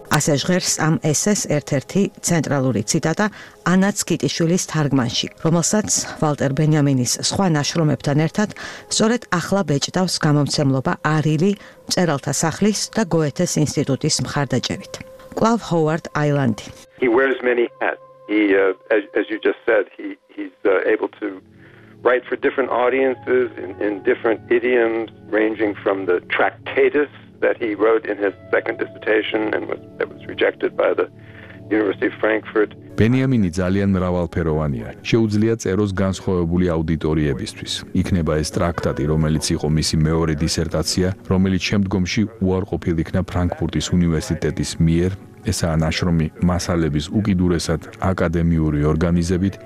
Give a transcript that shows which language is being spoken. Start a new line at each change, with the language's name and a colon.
Georgian: ასე ჟღერს ამ ესეს ერთ-ერთი ცენტრალური ციტატა ანაც კიტიშვილის თარგმანში, რომელსაც ვალტერ ბენიამინის სხვა ნაშრომებთან ერთად სწორედ ახლა ბეჭდავს გამომცემლობა არილი მწერალთა სახლის და გოეთეს ინსტიტუტის მხარდაჭერით. კლავ ჰოვარდ აილანდი.
English: He wears many hats. He as you just said, he's able to write for different audiences in different idioms ranging from the Tractatus that he wrote in his second dissertation and that was rejected by the University of Frankfurt.
Georgian: ბენიამინი ძალიან მრავალფეროვანია. შეუძლია წეროს განსხვავებული აუდიტორიებისთვის. იქნება ეს ტრაქტატი, რომელიც იყო მისი მეორე დისერტაცია, რომელიც შემდგომში უარყოფილ იქნა ფრანკფურტის უნივერსიტეტის მიერ ესაა ნაშრომი მასალების უკიდურესად აკადემიური ორგანიზებით.